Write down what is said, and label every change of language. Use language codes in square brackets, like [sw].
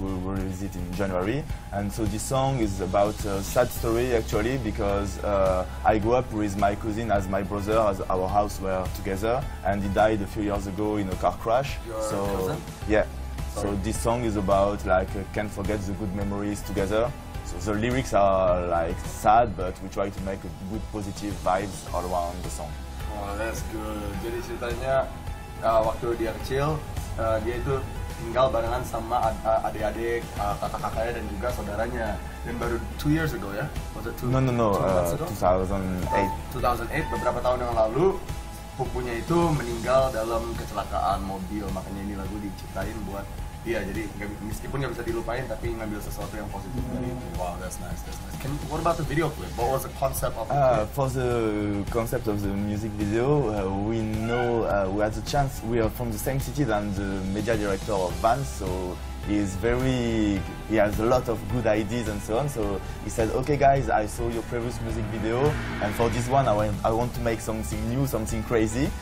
[en] We will release it in January. And so this song is about a sad story, actually, because I grew up with my cousin as my brother, as our house were together. And he died a few years ago in a car crash. Your cousin? Yeah. So this song is about like can't forget the good memories together. So the lyrics are like sad, but we try to make a good positive vibes all around the song. Oh, that's good. [id] Jadi ceritanya waktu dia kecil, dia itu tinggal barengan sama adik-adik, kakak-kakaknya dan juga saudaranya. Dan baru [en] 2 years ago ya? Was it 2 months ago? 2008 [id] beberapa tahun yang lalu. Pupunya itu meninggal dalam kecelakaan mobil, makanya ini lagu diciptain buat dia. Jadi meskipun nggak bisa dilupain, tapi ngambil sesuatu yang positif dari itu. [en] Wow, that's nice. What about the video clip? What was the concept of the clip? For the concept of the music video, we had the chance. We are from the same city than the media director of Vans, so he has a lot of good ideas and so on. So he said, okay guys, I saw your previous music video, and for this one I want to make something new, something crazy.